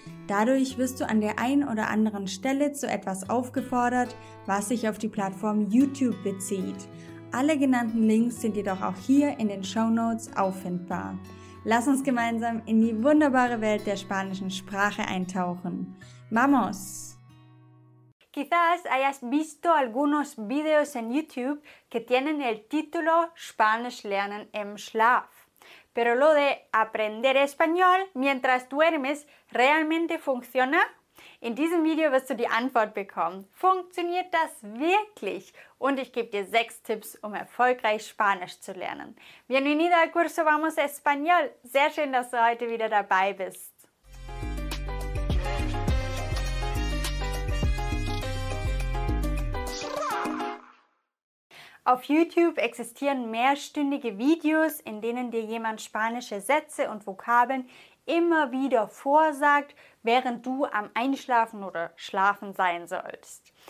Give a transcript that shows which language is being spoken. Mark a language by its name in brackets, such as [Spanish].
[German] Dadurch wirst du an der einen oder anderen Stelle zu etwas aufgefordert, was sich auf die Plattform YouTube bezieht. Alle genannten Links sind jedoch auch hier in den Shownotes auffindbar. Lass uns gemeinsam in die wunderbare Welt der spanischen Sprache eintauchen. [Spanish] ¡Vamos! Quizás hayas visto algunos videos en YouTube que tienen el título [German] Spanisch lernen im Schlaf. [Spanish] Pero lo de aprender español mientras duermes, ¿realmente funciona? [German] In diesem Video wirst du die Antwort bekommen. Funktioniert das wirklich? Und ich gebe dir 6 Tipps, um erfolgreich Spanisch zu lernen. [Spanish] Bienvenido al curso Vamos Español. [German] Sehr schön, dass du heute wieder dabei bist. Auf YouTube existieren mehrstündige Videos, in denen dir jemand spanische Sätze und Vokabeln immer wieder vorsagt, während du am Einschlafen oder Schlafen sein sollst.